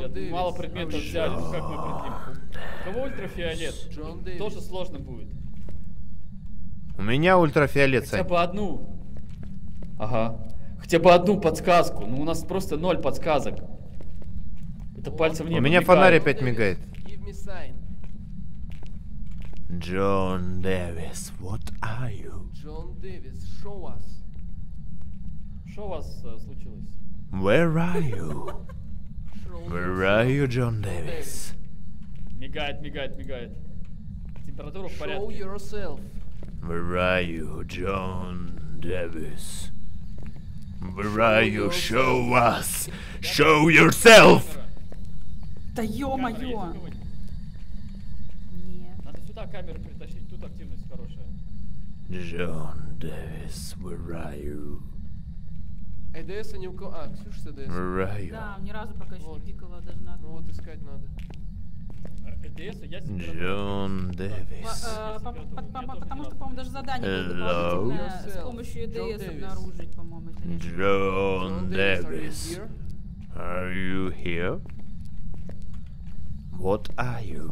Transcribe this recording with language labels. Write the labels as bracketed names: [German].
[Russian] Мало предметов взяли, как мы прикинем. У кого ультрафиолет? Тоже сложно будет. У меня ультрафиолет, Сань. Хотя бы одну. Ага. Хотя бы одну подсказку. Ну у нас просто ноль подсказок. Это пальцем не мигает. У меня фонарь опять мигает. [English] Джон Дэвис, what are you? Джон Дэвис, show us. [Russian] Что у вас случилось? [English] Where are you? Where are you, John Davis? [Russian] Мигает. Температура в порядке. [English] Show yourself. Where are you, John Davis? Where are you? Show us. Show yourself. [Russian] Да ё-моё. Нет. Надо сюда камеру притащить, тут активность хорошая. [English] John Davis, where are you? [Russian] ЭДС не у кого... А, Ксюша с ЭДС. Да, ни разу пока еще не пикала, даже надо. Ну вот искать надо. ЭДС, я себе... Джон Дэвис. Потому что, по-моему, даже задание было положительное с помощью ЭДС обнаружить, по-моему. [English] Джон Дэвис. Are you here? What are you?